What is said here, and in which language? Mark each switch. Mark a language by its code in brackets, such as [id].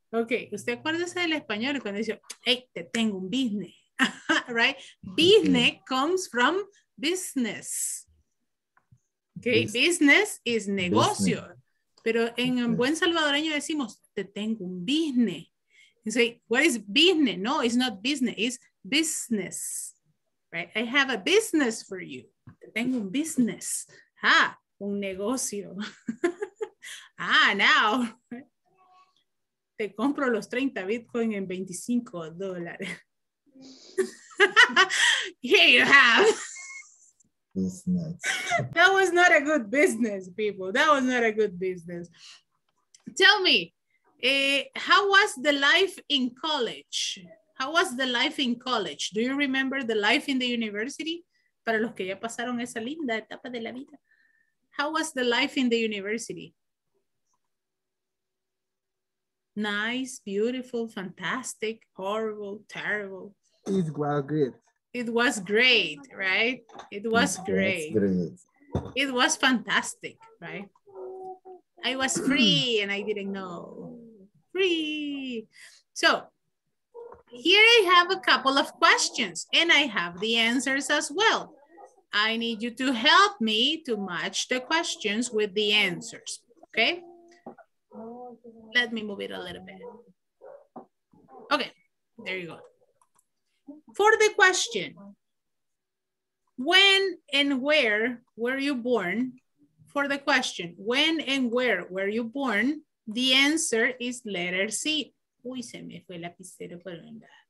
[es] Okay, usted acuérdese del español cuando dice, hey, te tengo un business, right? [en] Business comes from business. Okay, business is negocio. [es] Pero en buen salvadoreño decimos, te tengo un business. [en] You say, what is business? No, it's not business, it's business. Right? I have a business for you. [es] Te tengo un business. Ajá, un negocio. Ah, now. Te compro los 30 Bitcoin en $25. [en] Here you have. That was not a good business, people. That was not a good business. Tell me, how was the life in college? How was the life in college? Do you remember the life in the university? [es] Para los que ya pasaron esa linda etapa de la vida. [en] How was the life in the university? Nice, beautiful, fantastic, horrible, terrible. It was great. It was great, right? It was great. It was fantastic, right? I was free and I didn't know. Free. So, here I have a couple of questions and I have the answers as well. I need you to help me to match the questions with the answers, okay? Let me move it a little bit. Okay, there you go. For the question, when and where were you born? For the question, when and where were you born? The answer is letter C. [es] Uy, se me fue la lapicero por onda.